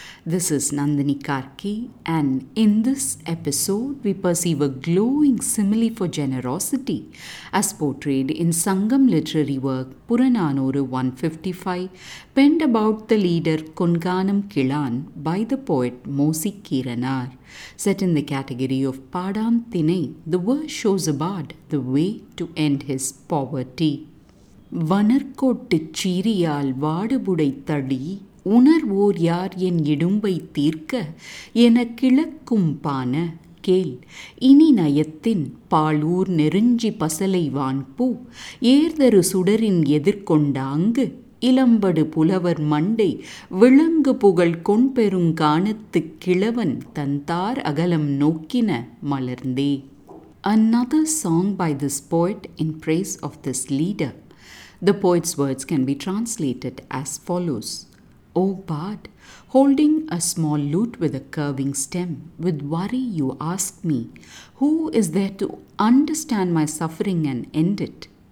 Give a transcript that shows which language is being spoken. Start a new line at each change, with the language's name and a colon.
English: This is Nandini Karki, and in this episode we perceive a glowing simile for generosity as portrayed in Sangam literary work Puranaanooru 155, penned about the leader Konkaanam Kizhaan by the poet Mosi Keeranaar. Set in the category of Paadaan Thinai, the verse shows a bard the way to end his poverty.
Tamil: வணர்கோட்டு சீரியால் வாடுபுடை தடி உணர்வோர் யார் என் இடும்பை தீர்க்க என கிழக்கும் பான கேள் இனி நயத்தின் பாலூர் நெருஞ்சி பசலை வான்பூ ஏர்தரு சுடரின் எதிர்கொண்டாங்கு இளம்படு புலவர் மண்டை விளங்கு புகழ் கொண்பெறும் காணத்து கிழவன் தந்தார் அகலம் நோக்கின மலர்ந்தே.
English: Another song by this poet in praise of this leader. The poet's words can be translated as follows. O bard, holding a small lute with a curving stem, with worry you ask me, who is there to understand my suffering and end it?